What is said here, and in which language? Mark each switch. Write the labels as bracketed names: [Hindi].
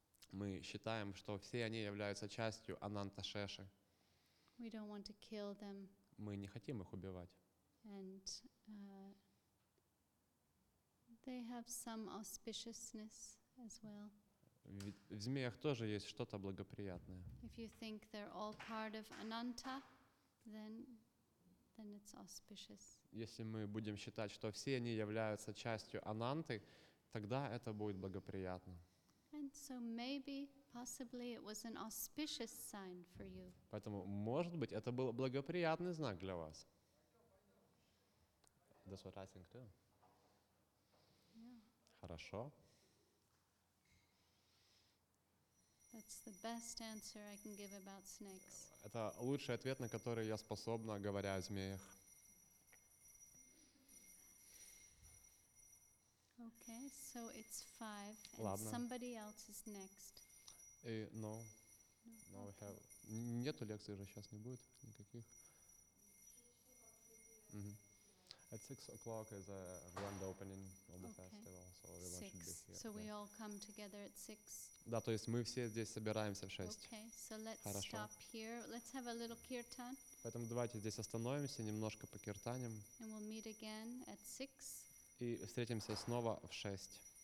[Russian] Мы считаем, что все они являются частью Ананта Шеши. [English] We don't want to kill them. [Russian] Мы не хотим их убивать. [English] And they have some auspiciousness as well. [Russian] В змеях тоже есть что-то благоприятное. [English] If you think they're all part of Ananta, then it's auspicious. [Russian] Если мы будем считать, что все они являются частью Ананты, тогда это будет благоприятно. [English] And so maybe, possibly, it was an auspicious sign for you. [Russian] Поэтому, может быть, это был благоприятный знак для вас. [English] That's what I think too. Yeah. [Russian] Хорошо. [English] That's the best answer I can give about snakes. [Russian] Это лучший ответ, на который я способна, говоря о змеях. [English] Okay, so it's 5, and somebody else is next. No, we have. [Russian] Нету лекции уже сейчас не будет никаких. [English] At 6 o'clock is a grand opening of the festival, so everyone should be here. So we all come together at 6. [Russian] Да, то есть мы все здесь собираемся в 6. [English] Okay, so let's stop here. Let's have a little kirtan. [Russian] Поэтому давайте здесь остановимся немножко по киртаним. [English] And we'll meet again at 6. [Russian] И встретимся снова в 6.